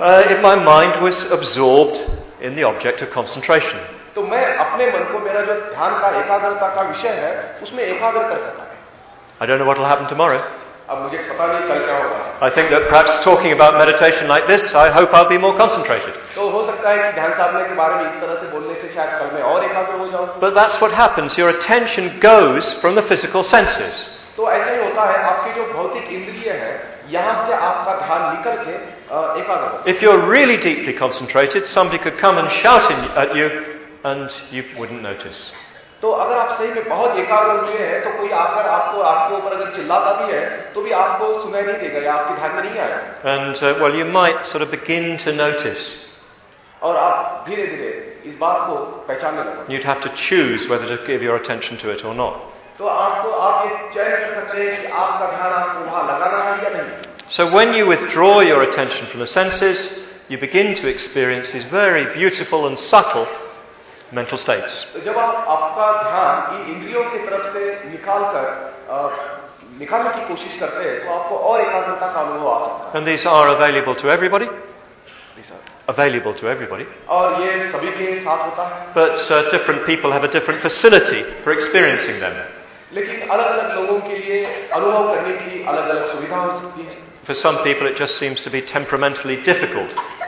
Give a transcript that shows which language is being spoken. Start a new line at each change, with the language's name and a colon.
English: In my mind was absorbed in the object of concentration.
Hindi: तो मैं अपने मन को मेरा जो ध्यान का एकाग्रता का विषय है उसमें एकाग्र कर सका।
English: I don't know what will happen tomorrow.
Hindi: अब मुझे पता नहीं कल क्या होगा।
English: I think that perhaps talking about meditation like this, I hope I'll be more concentrated.
Hindi: तो हो सकता है कि ध्यान साधने के बारे में इस तरह से बोलने से शायद कल मैं और एकाग्र हो जाऊं।
English: But that's what happens. Your attention goes from the physical senses.
Hindi: तो ऐसा ही होता है आपकी जो भौतिक इंद्रिय है यहाँ से आपका ध्यान निकल के एकाग्र होता है।
English: If you're really deeply concentrated, somebody could come and shout at you. And you wouldn't notice.
Hindi: तो अगर आप सही में बहुत एकाग्र हुए हैं, तो कोई आकर आपको आपके ऊपर अगर चिल्लाता भी है, तो भी आपको सुनाई नहीं देगा, या आपके ध्यान में नहीं आएगा.
English: And well, you might sort of begin to notice.
Hindi: और आप धीरे-धीरे इस बात को पहचानने लगोगे.
English: You'd have to choose whether to give your attention to it or not.
Hindi: तो आपको आप ये चयन कर सकते हैं कि आपका ध्यान आपको वहाँ लगाना है या नहीं.
English: So when you withdraw your attention from the senses, you begin to experience these very beautiful and subtle. Mental states.
Hindi: जब आपका ध्यान इन इंद्रियों की तरफ से निकालकर निकालने की कोशिश करते हैं, तो आपको और एकाग्रता का अनुभव आता है.
English: And these are available to everybody. Available to everybody.
Hindi: और ये सभी के साथ होता है.
English: But different people have a different facility for experiencing them.
Hindi: लेकिन अलग-अलग लोगों के लिए अनुभव करने की अलग-अलग सुविधा हो सकती है.
English: For some people, it just seems to be temperamentally difficult.